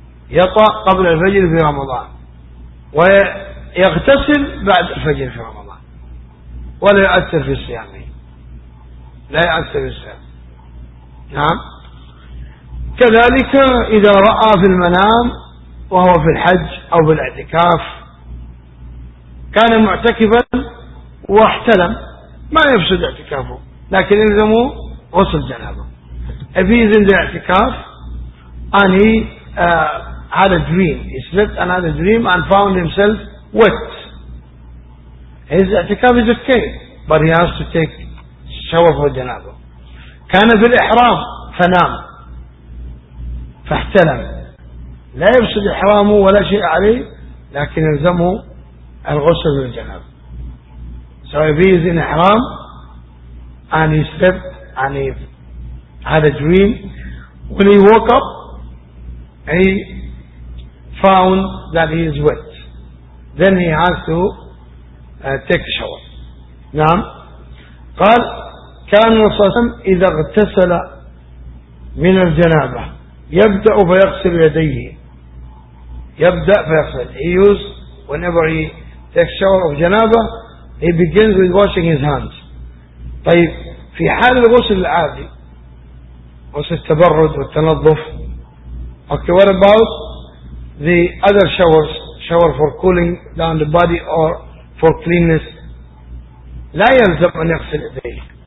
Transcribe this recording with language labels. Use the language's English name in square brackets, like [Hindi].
[Arabic] يطأ قبل الفجر في رمضان ويغتسل بعد الفجر في رمضان ولا يؤثر في الصيام, لا يؤثر في الصيام. نعم. كذلك إذا رأى في المنام وهو في الحج أو في الاعتكاف, كان معتكفا واحتلم, ما يفسد اعتكافه, لكن يلزمه غسل جنابه. [English] If he is in the اعتكاف and he had a dream, he slept and had a dream and found himself wet, his اعتكاف is okay, but he has to take shower for جنابه. [Arabic] كان في الإحرام فنام فاحتلم, لا يفسد إحرامه ولا شيء عليه, لكن يلزمه الغسل للجنابه. [English] So if he is in Ihram and he slept and he had a dream, when he woke up he found that he is wet, then he has to take a shower. [Arabic] نعم. قال كان الرسول إذا اغتسل من الجنابة يبدأ فيغسل يديه, يبدأ فيغسل. [English] He used whenever he takes shower of جنابة, he begins with washing his hands. [Arabic] طيب في حال الغسل العادي, غسل التبرد والتنظف, [English] okay, what about the other showers, shower for cooling down the body or for cleanness, [Arabic] لا يلزم أن يغسل يديه.